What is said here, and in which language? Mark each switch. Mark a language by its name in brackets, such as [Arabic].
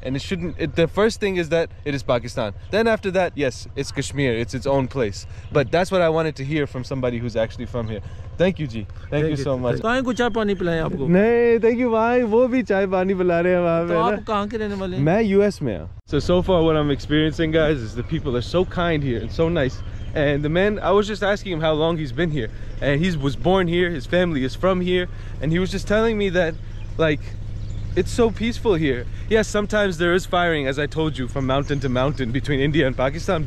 [English] And it shouldn't, the first thing is that it is Pakistan. Then after that, yes, it's Kashmir. It's its own place. But that's what I wanted to hear from somebody who's actually from here. Thank you, Ji. Thank you so much. [Hindi] कहाँ कुछ चाय पानी पिलाएं आपको? नहीं, [English] thank you, [Hindi] भाई. वो भी चाय पानी पिला रहे हैं वहाँ पे. तो आप कहाँ के रहने वाले हैं? मैं US में हूँ. [English] So far what I'm experiencing, guys, is the people are so kind here and so nice. And the man, I was just asking him how long he's been here. And he was born here, his family is from here. And he was just telling me that, like, it's so peaceful here. Yes, sometimes there is firing, as I told you, from mountain to mountain between India and Pakistan.